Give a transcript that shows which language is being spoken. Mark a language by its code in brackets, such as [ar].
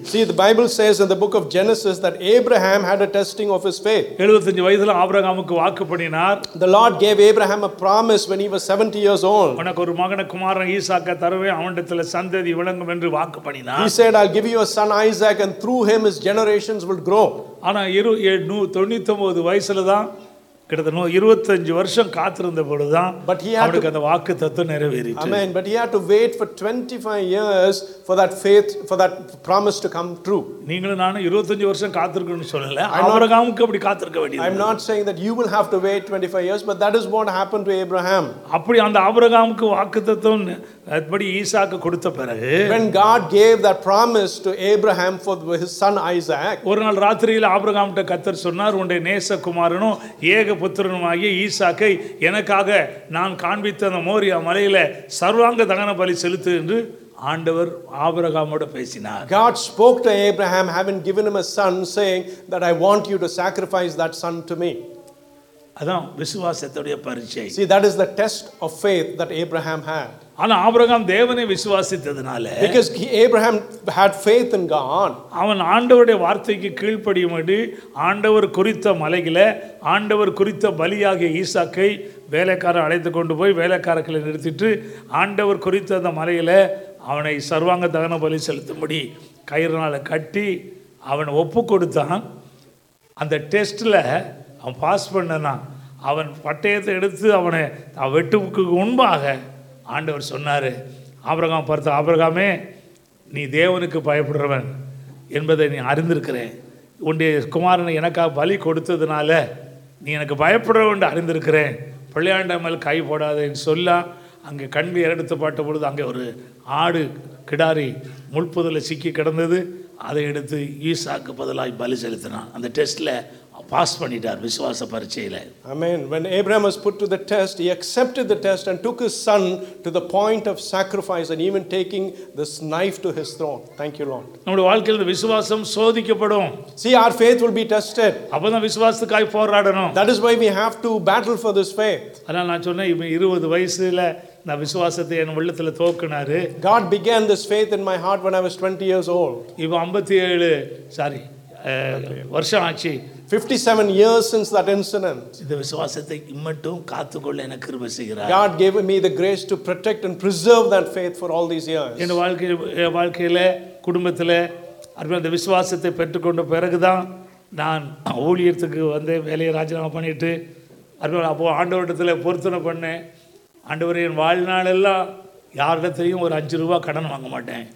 [en] See, the Bible says in the book of Genesis that Abraham had a testing of his faith. [ta] 75 வயதில் ஆபிரகாமுக்கு வாக்கு பண்ணினார். [en] The Lord gave Abraham a promise when he was 70 years old. [ta] உனக்கு ஒரு மகனை குமாரன் ஈசாக்கை தருவேன், அவனிடத்தில் சந்ததி விளங்கும் என்று வாக்கு பண்ணினார். [en] He said, I'll give you a son Isaac and through him his generations will grow. [ta] ஆனா 99 வயசுல தான் கிட்டத்தட்ட 25 வருஷம் காத்திருந்த பொழுதுதான் அந்த வாக்கு தத்துவம் நிறைவேறிச்சு. [en] Amen. But he had to wait for 25 years for that faith, for that promise to come true. [ta] நீங்களும் நானும் 25 வருஷம் காத்திருக்கணும்னு சொல்லல, ஆபிரகாமுக்கு அப்படி காத்திருக்க வேண்டியது. [en] I'm not saying that you will have to wait 25 years, but that is what happened to Abraham. [ta] அப்படி அந்த ஆபிரகாமுக்கு வாக்கு தத்துவம் அப்படி ஈசாக்கு கொடுத்த பிறகு, [en] when God gave that promise to Abraham for his son Isaac, [ta] ஒரு நாள் ராத்திரியில் ஆபிரகாம் கிட்ட கர்த்தர் சொன்னார், உன்னுடைய நேசகுமாரனும் ஏக புத்திரனுமாகிய ஈசாக்கை எனக்காக நான் காண்பித்த அந்த மோரியா மலையில சர்வாங்க தகன பலி செலுத்து என்று ஆண்டவர் ஆபிரகாமோடு பேசினார். [en] God spoke to Abraham, having given him a son, saying that I want you to sacrifice that son to me. [ta] அதான் விசுவாசத்துடைய பரிச்சை. [en] See, that is the test of faith that Abraham had. [ta] ஆனா ஆபிரகாம் தேவனை விசுவாசித்ததுனால, [en] because Abraham had faith in God, [ta] அவன் ஆண்டவருடைய வார்த்தைக்கு கீழ்ப்படியும்படி ஆண்டவர் குறித்த மலையில ஆண்டவர் குறித்த பலியாகிய ஈசாக்கை வேலைக்காரர் அழைத்து கொண்டு போய் வேலைக்காரர்களை நிறுத்திட்டு ஆண்டவர் குறித்த அந்த மலையில அவனை சர்வாங்க தகன பலி செலுத்தும்படி கயிறுனால கட்டி அவன் ஒப்பு கொடுத்தான். அந்த டெஸ்ட்ல அவன் பாஸ் பண்ணனா, அவன் பட்டயத்தை எடுத்து அவனை வெட்டுக்கு முன்பாக ஆண்டவர் சொன்னாரு, ஆபிரகாம் பார்த்து, ஆபிரகாமே நீ தேவனுக்கு பயப்படுறவன் என்பதை நீ அறிந்திருக்கிறேன், உன்னுடைய குமாரனை எனக்காக பலி கொடுத்ததுனால நீ எனக்கு பயப்படுறவன் அறிந்திருக்கிறேன், பிள்ளையாண்டாமல் கை போடாதேன்னு சொல்லா அங்கே கண்ணு இரண்டு பாட்ட பொழுது அங்கே ஒரு ஆடு கிடாரி முள்புதில் சிக்கி கிடந்தது, அதை எடுத்து ஈசாக்கு பதிலாக பலி செலுத்தினான். அந்த டெஸ்ட்ல பாஸ் பண்ணிட்டார் விசுவாச பரீட்சையில. [en] Amen. When Abraham was put to the test, he accepted the test and took his son to the point of sacrifice and even taking this knife to his throat. Thank you, Lord. [ta] நம்ம வாழ்க்கையில விசுவாசம் சோதிக்கப்படும். [en] See, our faith will be tested. [ta] அப்பதான் விசுவாசத்துக்காய் போராடணும். [en] That is why we have to battle for this faith. [ta] அதான் நான் சொன்னேன், இவன் 20 வயசுல நான் விசுவாசத்தை என் உள்ளத்துல தோக்குனாரு. [en] God began this faith in my heart when I was 20 years old. [ta] இவன் 57 சாரி வருஷம் ஆச்சு. [en] 57 years since that incident. [ta] இந்த விசுவாசத்தை இம்மட்டும் காத்துக்கொள்ள எனக்கு கிருபை செய்கிறார். [en] God gave me the grace to protect and preserve that faith for all these years. [ta] என் வாழ்க்கையில குடும்பத்தில் அந்த விசுவாசத்தை பெற்றுக்கொண்ட பிறகுதான் நான் ஊழியத்துக்கு வந்து வேலையை ராஜினாமா பண்ணிட்டு அருமையான அப்போ ஆண்டவரிடத்தில் பொருத்தனை பண்ணேன். ஆண்டவர், என் வாழ்நாளெல்லாம் யாரிடத்தையும் ஒரு 5 ரூபாய் கடன் வாங்க மாட்டேன்.